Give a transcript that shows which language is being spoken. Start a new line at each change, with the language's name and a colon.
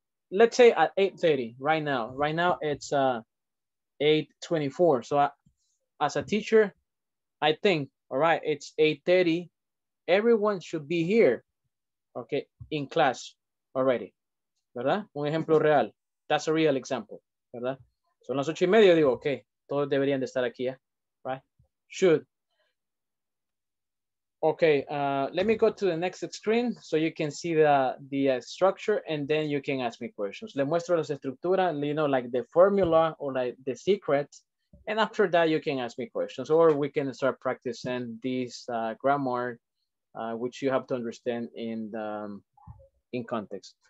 English: Let's say at 8:30 right now. Right now, it's 8:24. So, as a teacher, I think, all right, it's 8:30. Everyone should be here, okay, in class already.
Spanish: ¿Verdad? Un ejemplo real.
English: That's a real example,
Spanish: ¿verdad? Son las 8:30, digo, okay, todos deberían de estar aquí, ¿eh?
English: Right? Should. Okay, let me go to the next screen so you can see the structure and then you can ask me questions.
Spanish: Le muestro las estructuras,
English: you know, like the formula or like the secret. And after that, you can ask me questions, or we can start practicing this grammar, which you have to understand in context.